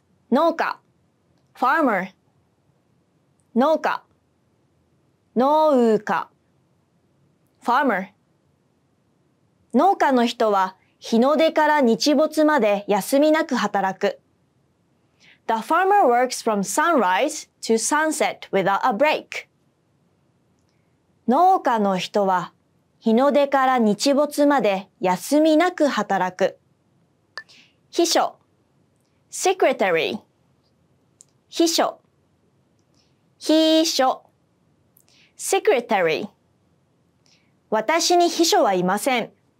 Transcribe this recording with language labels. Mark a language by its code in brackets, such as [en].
[ja] 農家 farmer農家、農家、farmer。農家の人は日の出から日没まで休みなく働く。 [en] The farmer works from sunrise to sunset without a break. [ja] 農家の人は日の出から日没まで休みなく働く。秘書、secretary、秘書。秘書 secretary 私に秘書はいません。